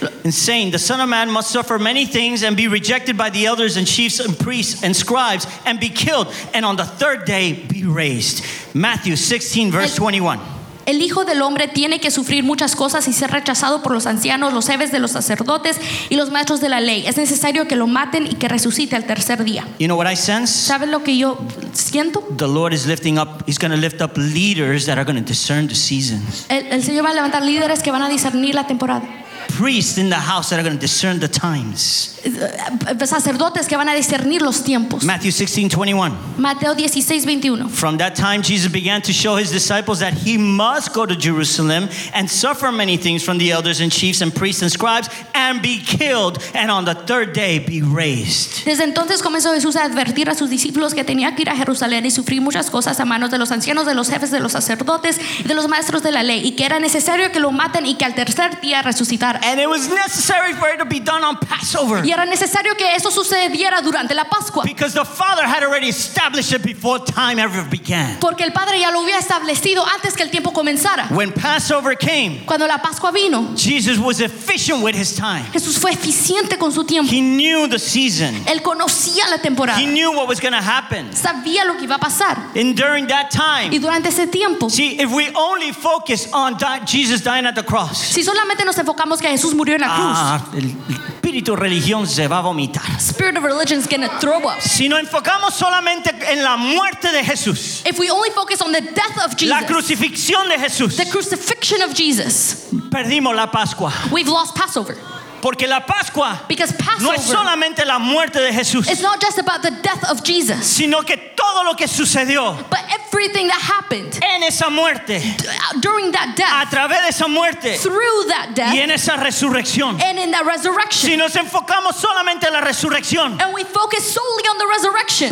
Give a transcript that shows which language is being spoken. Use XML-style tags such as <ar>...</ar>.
<en>And saying, the Son of Man must suffer many things and be rejected by the elders and chiefs and priests and scribes and be killed and on the third day be raised. Matthew 16, verse 21.</en> <es>El Hijo del Hombre tiene que sufrir muchas cosas y ser rechazado por los ancianos, los jefes de los sacerdotes y los maestros de la ley. Es necesario que lo maten y que resucite al tercer día.</es> <en>You know what I sense?</en> <es>¿Saben lo que yo siento?</es> <en>The Lord is lifting up, he's going to lift up leaders that are going to discern the seasons.</en> <es>El Señor va a levantar líderes que van a discernir la temporada.</es> <en>Priests in the house that are going to discern the times.</en> <es>Sacerdotes que van a discernir los tiempos.</es> <en>Matthew 16:21.</en> <es>Mateo 16:21.</es> <en>From that time Jesus began to show his disciples that he must go to Jerusalem and suffer many things from the elders and chiefs and priests and scribes and be killed and on the third day be raised.</en> <es>Desde entonces comenzó Jesús a advertir a sus discípulos que tenía que ir a Jerusalén y sufrir muchas cosas a manos de los ancianos, de los jefes, de los sacerdotes y de los maestros de la ley, y que era necesario que lo maten y que al tercer día resucitara.</es> <en>And it was necessary for it to be done on Passover.</en> <es>Y era necesario que eso sucediera durante la Pascua.</es> <en>Because the Father had already established it before time ever began.</en> <es>Porque el Padre ya lo había establecido antes que el tiempo comenzara.</es> <en>When Passover came,</en> <es>cuando la Pascua vino,</es> <en>Jesus was efficient with his time.</en> <es>Jesús fue eficiente con su tiempo.</es> <en>He knew the season.</en> <es>Él conocía la temporada.</es> <en>He knew what was going to happen.</en> <es>Sabía lo que iba a pasar.</es> <en>And during that time,</en> <es>y durante ese tiempo,</es> <en>see, if we only focus on Jesus dying at the cross,</en> <es>si solamente nos enfocamos que Jesús murió en la cruz. El espíritu de religión se va a vomitar.</es> <en>Spirit of religion is going to throw up.</en> <es>Si nos enfocamos solamente en la muerte de Jesús.</es> <en>If we only focus on the death of Jesus.</en> <es>La crucifixión de Jesús.</es> <en>The crucifixion of Jesus.</en> <es>Perdimos la Pascua.</es> <en>We've lost Passover.</en> <es>Porque la Pascua no es solamente la muerte de Jesús.</es> <en>It's not just about the death of Jesus.</en> <es>Sino que todo lo que sucedió.</es> <en>But everything that happened.</en> <es>En esa muerte.</es> <en>During that death.</en> <es>A través de esa muerte.</es> <en>Through that death.</en> <es>Y en esa resurrección.</es> <en>And in that resurrection.</en> <es>Si nos enfocamos solamente en la resurrección.</es> <en>And we focus solely on the resurrection.</en>